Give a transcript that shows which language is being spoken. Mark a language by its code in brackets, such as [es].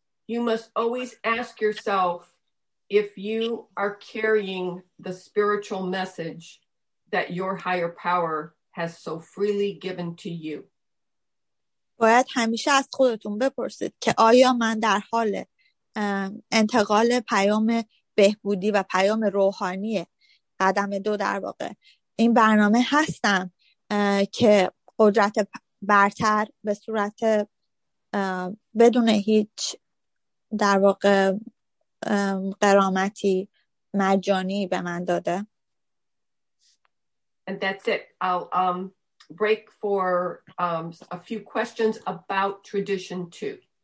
[en] you must always ask yourself if you are carrying the spiritual message that your higher power has so freely given to you. [fa] باید همیشه از خودتون بپرسید که آیا من در حال انتقال پیام بهبودی و پیام روحانی قدم 2 در واقع این برنامه هستم که قدرت برتر به صورت بدون هیچ در واقع قرامتی مجانی به من داده. [en] And that's it. I'll break for a few questions about tradition 2.